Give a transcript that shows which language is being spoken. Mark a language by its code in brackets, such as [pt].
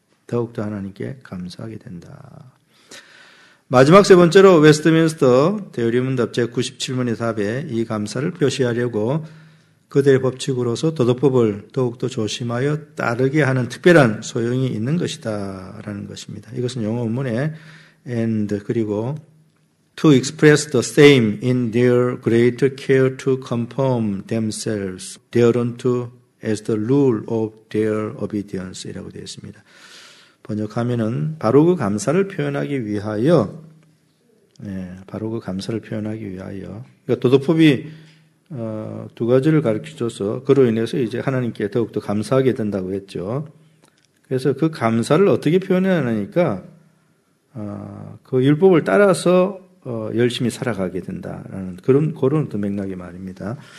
[ko] 더욱더 하나님께 감사하게 된다. 마지막 세 번째로 웨스트민스터 대열이 문답 제97문의 답에 이 감사를 표시하려고 그들의 법칙으로서 도덕법을 더욱더 조심하여 따르게 하는 특별한 소용이 있는 것이다 라는 것입니다. 이것은 영어 원문에 [en] and [ko] 그리고 [en] to express the same in their great care to conform themselves thereunto as the rule of their obedience [ko] 이라고 되어 있습니다. 번역하면은 바로 그 감사를 표현하기 위하여 바로 그 감사를 표현하기 위하여 그러니까 도덕법이 두 가지를 가르쳐줘서 그로 인해서 이제 하나님께 더욱더 감사하게 된다고 했죠. 그래서 그 감사를 어떻게 표현하냐니까 그 율법을 따라서 열심히 살아가게 된다라는 그런 또 맥락의 말입니다.